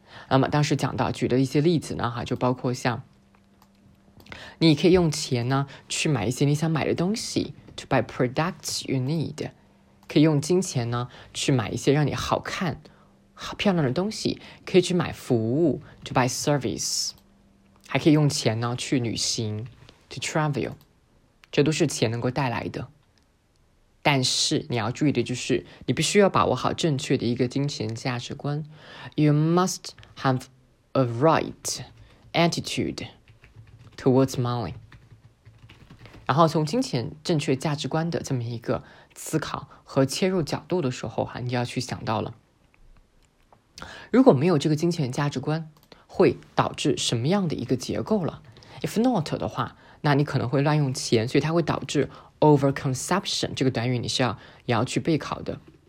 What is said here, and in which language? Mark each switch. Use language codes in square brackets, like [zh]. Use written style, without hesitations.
[zh] 那么当时讲到举的一些例子呢哈，就包括像你可以用钱呢去买一些你想买的东西 [en] to buy products you need, [zh] 可以用金钱呢去买一些让你好看好漂亮的东西，可以去买服务 [en] to buy service, [zh] 还可以用钱呢去旅行 [en] to travel, [zh] 这都是钱能够带来的。但是你要注意的就是你必须要把握好正确的一个金钱价值观。 [en] You must have a right attitudeTowards money. [zh] 然后从金钱正确价值观的这么一个思考和切入角度的时候，你就要去想到了，如果没有这个金钱价值观会导致什么样的一个结构了。 [en] If not [zh] 的话，那你可能会乱用钱，所以它会导致 overconsumption, 这个短语你是要去备考的。